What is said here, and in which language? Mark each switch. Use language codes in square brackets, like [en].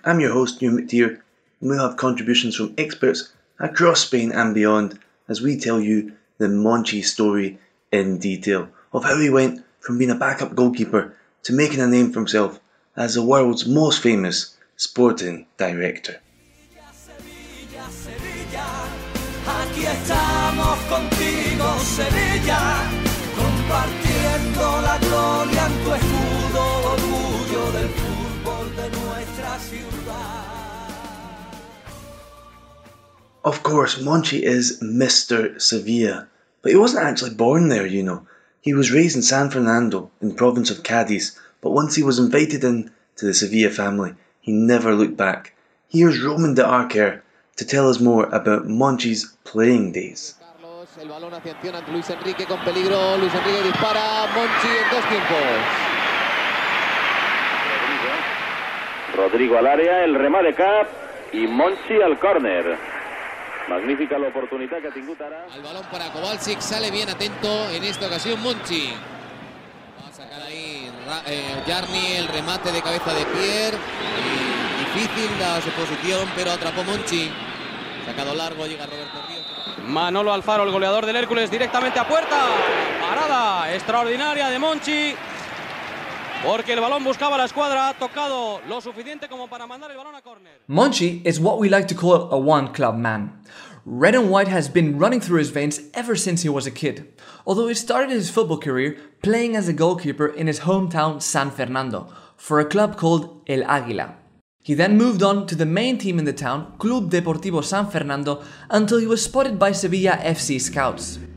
[en] I'm your host, New McTeer. And we'll have contributions from experts across Spain and beyond as we tell you the Monchi story in detail of how he went from being a backup goalkeeper to making a name for himself as the world's most famous sporting director. [es] Sevilla, Sevilla, aquí estamos contigo, Sevilla, compartiendo la gloria en tu escudo, orgullo del fútbol de nuestra ciudad. [en] Of course, Monchi is Mr. Sevilla, but he wasn't actually born there, you know. He was raised in San Fernando, in the province of Cadiz, but once he was invited in to the Sevilla family, he never looked back. Here's Roman de Arquer to tell us more about Monchi's playing days. [es] Rodrigo al área, el remate cap, y Monchi al corner. Magnífica la oportunidad que tingutará. Al balón para Kowalczyk, sale bien atento en esta ocasión Monchi. Va a sacar ahí Jarni, el remate de cabeza de Pierre. Difícil la su posición, pero atrapó Monchi. Sacado largo, llega Roberto Ríos. Manolo Alfaro, el goleador del Hércules, directamente a puerta. Parada extraordinaria de Monchi. Porque el balón buscaba la escuadra, ha tocado lo suficiente como para mandar el balón a corner. [en] Monchi is what we like to call a one club man. Red and white has been running through his veins ever since he was a kid, although he started his football career playing as a goalkeeper in his hometown San Fernando for a club called El Águila. He then moved on to the main team in the town, Club Deportivo San Fernando, until he was spotted by Sevilla FC scouts.